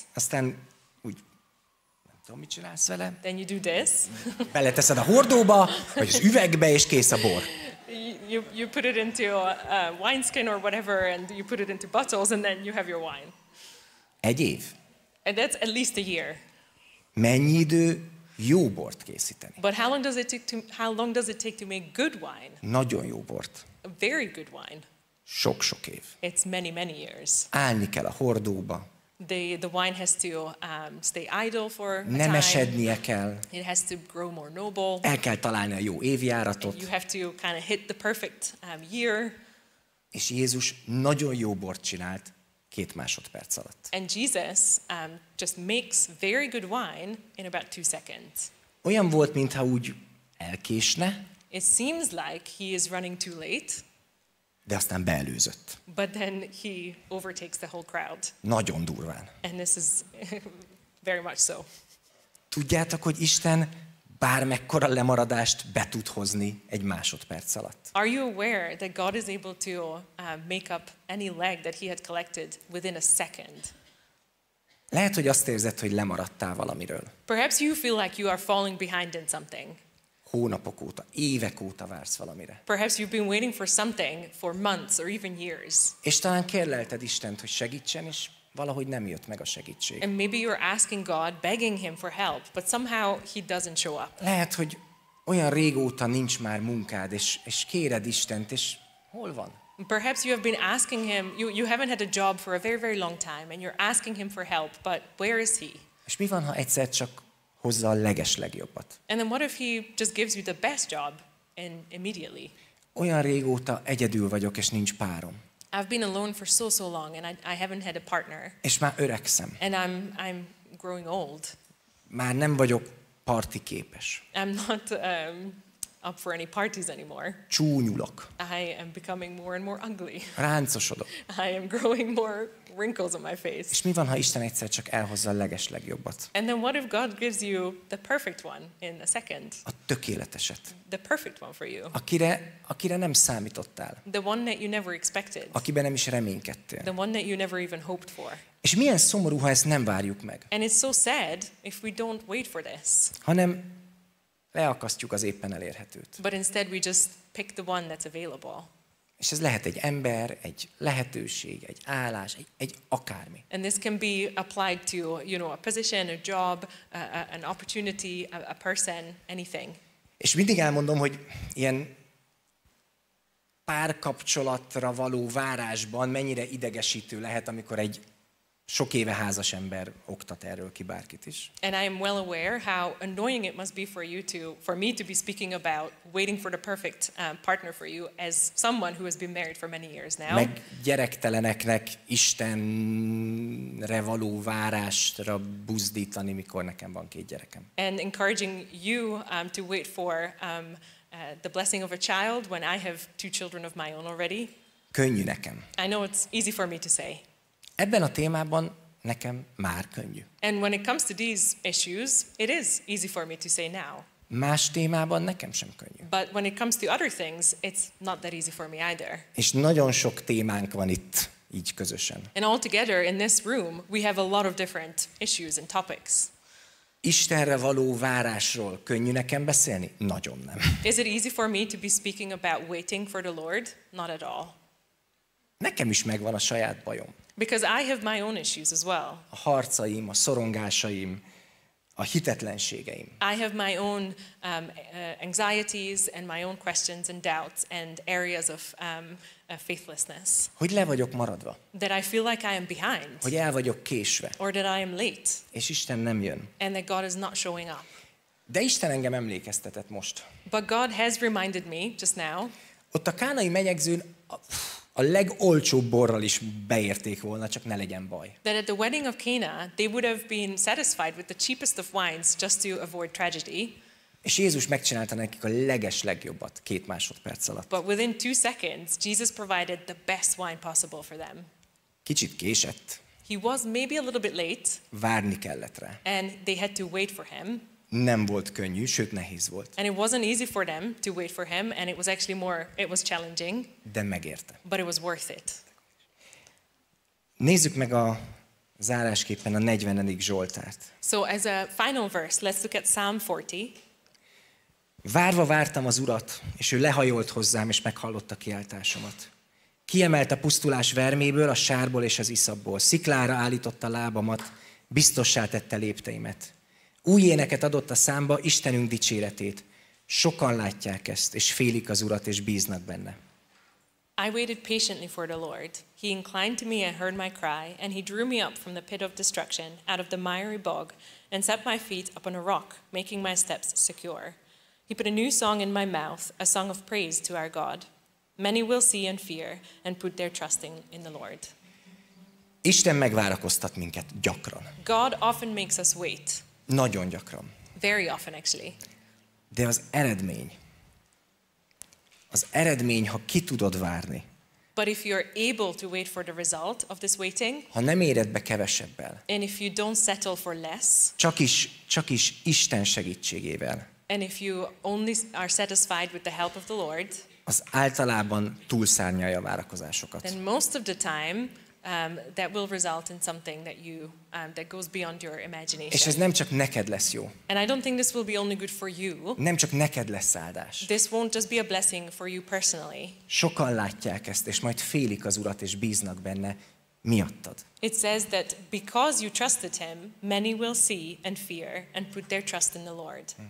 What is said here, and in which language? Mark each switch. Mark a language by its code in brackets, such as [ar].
[hu] Aztán úgy, nem tudom, mit csinálsz vele. [en] Then you do this. [hu] Beleteszed a hordóba, vagy az üvegbe, és kész a bor. [en] You put it into a wine skin or whatever, and you put it into bottles, and then you have your wine. [hu] Egy év. [en] And that's at least a year. [hu] Mennyi idő jó bort készíteni? [en] But how long does it take to make good wine? [hu] Nagyon jó bort. [en] A very good wine. [hu] Sok-sok év. [en] It's many, many years. [hu] Állni kell a hordóba. [en] The wine has to stay idle for a time. [hu] Nem esednie kell. [en] It has to grow more noble. [hu] El kell találni a jó évjáratot. [en] You have to kind of hit the perfect year. [hu] És Jézus nagyon jó bort csinált. 2 másodperc alatt. [en] And Jesus just makes very good wine in about 2 seconds. [hu] Olyan volt, mintha úgy elkésne. [en] It seems like he is running too late. [hu] De aztán beelőzött. [en] But then he overtakes the whole crowd. [hu] Nagyon durván. [en] And this is very much so. [hu] Tudjátok, hogy Isten bármekkora lemaradást be tud hozni egy másodperc alatt. [en] Are you aware that God is able to make up any lag that he had collected within a second? [hu] Lehet, hogy azt érzed, hogy lemaradtál valamiről. [en] Perhaps you feel like you are falling behind in something. [hu] Hónapok óta, évek óta vársz valamire. [en] Perhaps you've been waiting for something for months or even years. [hu] És talán kérlelted Istent, hogy segítsen, és valahogy nem jött meg a segítség. [en] And maybe you're asking God, begging him for help, but somehow he doesn't show up. [hu] Lehet, hogy olyan régóta nincs már munkád, és kéred Istent, és hol van? [en] Perhaps you have been asking him, you haven't had a job for a very, very long time, and you're asking him for help, but where is he? [hu] És mi van, ha egyszer csak hozza a legeslegjobbat? [en] And then what if he just gives you the best job and immediately? [hu] Olyan régóta egyedül vagyok, és nincs párom. [en] I've been alone for so, so long, and I haven't had a partner. [hu] És már öregszem. [en] And I'm growing old. [hu] Már nem vagyok parti képes. [en] I'm not up for any parties anymore. [hu] Csúnyulok. [en] I am becoming more and more ugly. [hu] Ráncosodok. [en] I am growing more wrinkles on my face. [hu] És mi van, ha Isten egyszer csak elhozza a legeslegjobbat? [en] And then what if God gives you the perfect one in a second? [hu] A tökéleteset. [en] The perfect one for you. [hu] Akire nem számítottál. [en] The one that you never expected. [hu] Akiben nem is reménykedtél. [en] The one that you never even hoped for. [hu] És milyen szomorú, ha ezt nem várjuk meg. [en] And it's so sad if we don't wait for this. [hu] Hanem leakasztjuk az éppen elérhetőt. [en] But instead we just pick the one that's available. [hu] És ez lehet egy ember, egy lehetőség, egy állás, egy akármi. [en] And this can be applied to, you know, a position, a job, an opportunity, a person, anything. [hu] És mindig elmondom, hogy ilyen párkapcsolatra való várásban mennyire idegesítő lehet, amikor egy sok éve házas ember oktat erről ki bárkit is. [en] And I am well aware how annoying it must be for me to be speaking about waiting for the perfect partner for you as someone who has been married for many years now. [hu] Meg gyerekteleneknek Istenre való várásra buzdítani, mikor nekem van 2 gyerekem. [en] And encouraging you to wait for the blessing of a child when I have 2 children of my own already. [hu] Könnyű nekem. [en] I know it's easy for me to say. [hu] Ebben a témában nekem már könnyű. [en] And when it comes to these issues, it is easy for me to say now. [hu] Más témában nekem sem könnyű. [en] But when it comes to other things, it's not that easy for me either. [hu] És nagyon sok témánk van itt így közösen. [en] And altogether in this room, we have a lot of different issues and topics. [hu] Istenre való várásról könnyű nekem beszélni? Nagyon nem. [en] Is it easy for me to be speaking about waiting for the Lord? Not at all. [hu] Nekem is megvan a saját bajom. [en] Because I have my own issues as well. [hu] A harcaim, a szorongásaim, a hitetlenségeim. [en] I have my own anxieties and my own questions and doubts and areas of faithlessness. [hu] Hogy le vagyok maradva? [en] That I feel like I am behind. [hu] Hogy el vagyok késve? [en] Or that I am late. [hu] És Isten nem jön. [en] And that God is not showing up. [hu] De Isten engem emlékeztetett most. [en] But God has reminded me just now. [hu] Ott a kánai menyegzőn a legolcsóbb borral is beérték volna, csak ne legyen baj. [en] That at the wedding of Cana, they would have been satisfied with the cheapest of wines just to avoid tragedy. [hu] És Jézus megcsinálta nekik a legeslegjobbat 2 másodperc alatt. [en] But within 2 seconds, Jesus provided the best wine possible for them. [hu] Kicsit késett. [en] He was maybe a little bit late. [hu] Várni kellett rá. [en] And they had to wait for him. [hu] Nem volt könnyű, sőt nehéz volt. [en] And it wasn't easy for them to wait for him, and it was actually more, it was challenging. [hu] De megérte. [en] But it was worth it. [hu] Nézzük meg a zárásképpen a 40. Zsoltárt. [en] So as a final verse, let's look at Psalm 40. [hu] Várva vártam az Urat, és ő lehajolt hozzám, és meghallotta kiáltásomat. Kiemelt a pusztulás verméből, a sárból és az iszabból. Sziklára állította lábamat, biztossá tette lépteimet. Új éneket adott a számba, Istenünk dicséretét. Sokan látják ezt, és félik az Urat, és bíznak benne. [en] I waited patiently for the Lord. He inclined to me and heard my cry, and he drew me up from the pit of destruction, out of the miry bog, and set my feet upon a rock, making my steps secure. He put a new song in my mouth, a song of praise to our God. Many will see and fear, and put their trusting in the Lord. [hu] Isten megvárakoztat minket gyakran. [en] God often makes us wait. [hu] Nagyon gyakran. [en] Very often actually. [hu] De az eredmény. Az eredmény, ha ki tudod várni. [en] But if you're able to wait for the result of this waiting. [hu] Ha nem éred be kevesebbel. [en] And if you don't settle for less. [hu] Csak is Isten segítségével. [en] And if you only are satisfied with the help of the Lord. [hu] Az általában túlszárnyalja a várakozásokat. [en] Then most of the time that will result in something that you that goes beyond your imagination. [hu] És ez nem csak neked lesz jó. [en] And I don't think this will be only good for you. [hu] Nem csak neked lesz áldás. [en] This won't just be a blessing for you personally. [hu] Sokan látják ezt, és majd félik az Urat, és bíznak benne miattad. [en] It says that because you trusted him, many will see and fear and put their trust in the Lord.